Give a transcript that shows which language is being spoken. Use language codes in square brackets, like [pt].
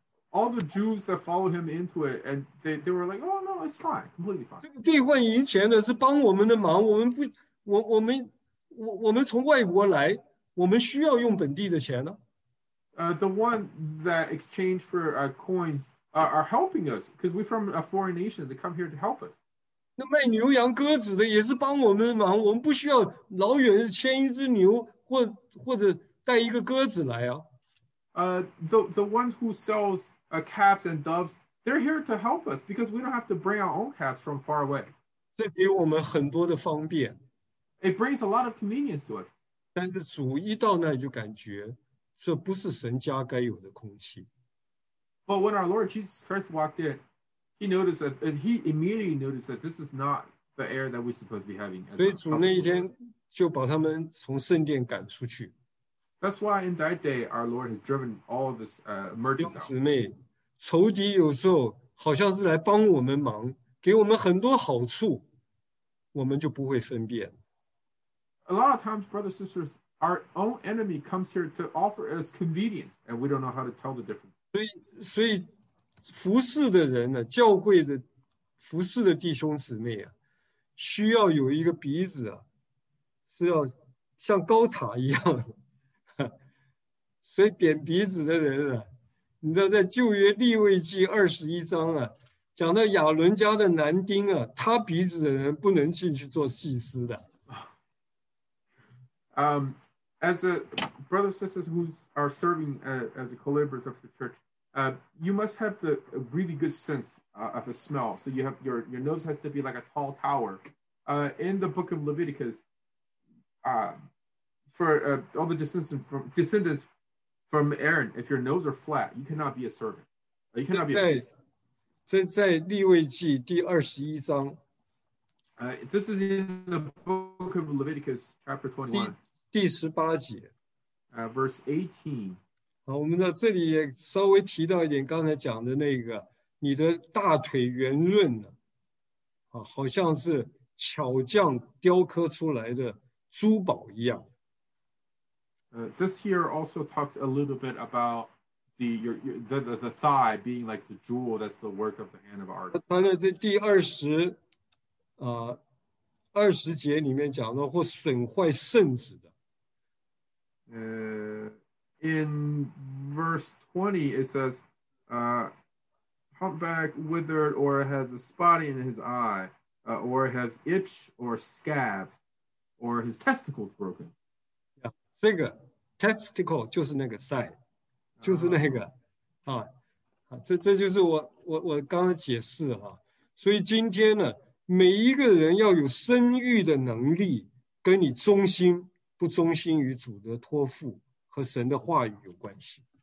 [en] All the Jews that followed him into it, and they were like, "Oh no, it's fine, completely fine." [zh] 这个兑换银钱的是帮我们的忙，我们从外国来。我们需要用本地的钱呢? [en] The one that exchanged for our coins are helping us because we're from a foreign nation. They come here to help us. [zh] 那卖牛羊鸽子的也是帮我们的忙，我们不需要老远牵一只牛或者带一个鸽子来啊。 [en] The ones who sells calves and doves, they're here to help us because we don't have to bring our own calves from far away. [zh] 这给我们很多的方便。 [en] It brings a lot of convenience to us. [zh] 但是主一到那里就感觉这不是神家该有的空气。 [en] But when our Lord Jesus Christ walked in, he noticed that, he immediately noticed that this is not the air that we're supposed to be having. [zh] 所以主那一天就把他们从圣殿赶出去。 [en] That's why in that day, our Lord has driven all of this merchants out. [zh] 姊妹，仇敌有时候好像是来帮我们忙，给我们很多好处，我们就不会分辨。 [en] A lot of times, brothers and sisters, our own enemy comes here to offer us convenience, and we don't know how to tell the difference. [zh] 所以服侍的人呢，教会的服侍的弟兄姊妹啊，需要有一个鼻子啊，是要像高塔一样。所以扁鼻子的人啊，你知道在旧约利未记二十一章啊，讲到亚伦家的男丁啊，他鼻子的人不能进去做祭司的。 [en] As a brothers and sisters who are serving as a co-laborers of the church, you must have the a really good sense of a smell. So you have your nose has to be like a tall tower. In the book of Leviticus, for all the descendants from Aaron, if your nose are flat, you cannot be a servant. You cannot be a servant. [zh] 在利未记第二十一章。 [en] This is in the book of Leviticus, chapter 21. [zh] 第十八节 [en] verse 18。 [zh] 好，我们在这里也稍微提到一点，刚才讲的那个，你的大腿圆润呢，啊，好像是巧匠雕刻出来的珠宝一样。 [en] This here also talks a little bit about the thigh being like the jewel that's the work of the hand of art. [zh] 他在这第二十，二十节里面讲到或损坏圣子的。 [en] In verse 20, it says, humpback, withered, or has a spot in his eye, or has itch or scab, or his testicles broken. [zh] Yeah, 这个 testicle 就是那个 side, 就是那个、这就是我刚刚解释、所以今天呢，每一个人要有生育的能力，跟你忠心不忠心于主的托付和神的话语有关系。